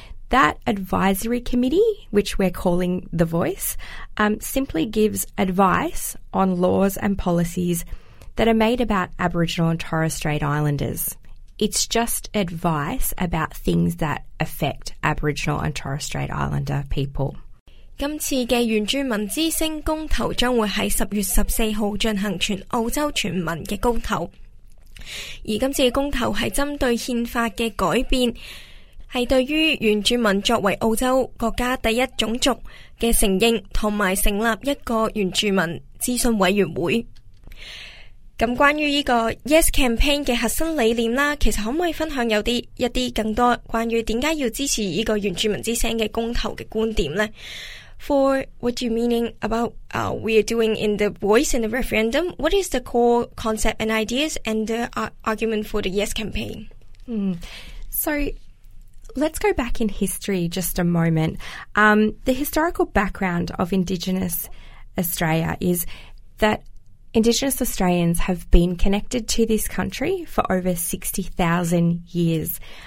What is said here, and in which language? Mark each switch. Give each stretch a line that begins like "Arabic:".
English: That advisory committee, which we're calling The Voice, simply gives advice on laws and policies that are made about Aboriginal and Torres Strait Islanders. It's just advice about things that affect Aboriginal and Torres Strait Islander people.
Cantonese: 今次嘅原住民之声公投将会喺10月14号进行全澳洲全民嘅公投。而今次嘅公投系针对宪法嘅改变，系对于原住民作为澳洲国家第一种族嘅承认，同埋成立一个原住民咨询委员会。咁关于呢个 Yes Campaign 嘅核心理念啦，其实可唔可以分享一啲更多关于点解要支持呢个原住民之声嘅公投嘅观点呢？
English: For what do you meaning about we are doing in the voice in the referendum, what is the core concept and ideas and the argument for the Yes campaign? So let's go back in history just a moment. The historical background of Indigenous Australia is that Indigenous Australians have been connected to this country for over 60,000 years.